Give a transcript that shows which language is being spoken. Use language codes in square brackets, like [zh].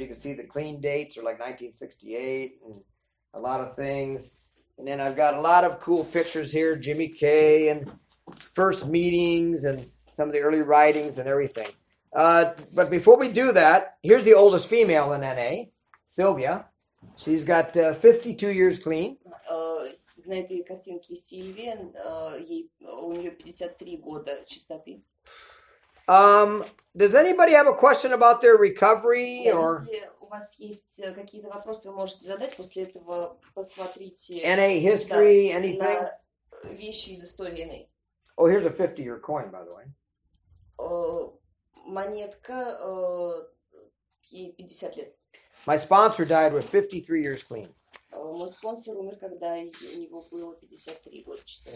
[en] You can see the clean dates are like 1968 and a lot of things. And then I've got a lot of cool pictures here, Jimmy Kay and first meetings and some of the early writings and everything. But before we do that, here's the oldest female in NA, Sylvia. She's got 52 years clean. [ru] На этой картинке Сильвия, у нее 53 года чистоты. [en] Does anybody have a question about their recovery? Or [ru] если у вас есть какие-то вопросы, вы можете задать после этого. Посмотрите. [en] NA history, да, anything? [ru] На вещи из истории NA. [en] Oh, here's a 50-year coin, by the way. [ru] Монетка, ей 50 лет. [en] My sponsor died with 53 years clean. [ru] Мой спонсор умер, когда у него было 53 года чистоты.